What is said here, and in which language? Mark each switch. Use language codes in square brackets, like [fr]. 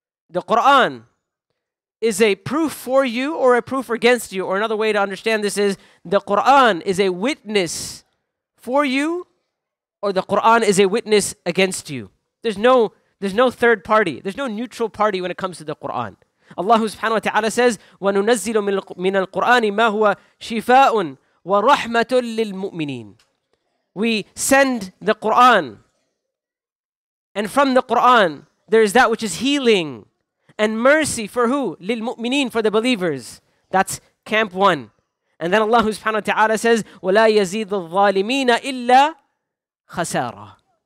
[en] The Quran is a proof for you or a proof against you. Or another way to understand this is, the Quran is a witness for you or the Quran is a witness against you. There's no third party. There's no neutral party when it comes to the Quran. Allah subhanahu wa ta'ala says, [ar] وَنُنَزِّلُ مِنَ الْقُرْآنِ مَا هُوَ شِفَاءٌ وَرَحْمَةٌ لِلْمُؤْمِنِينَ. [en] We send the Quran. And from the Quran, there is that which is healing and mercy for who? لِلْمُؤْمِنِينَ, for the believers. That's camp one. And then Allah subhanahu wa ta'ala says, [ar] وَلَا يَزِيدُ الظَّالِمِينَ إِلَّا خَسَارًا.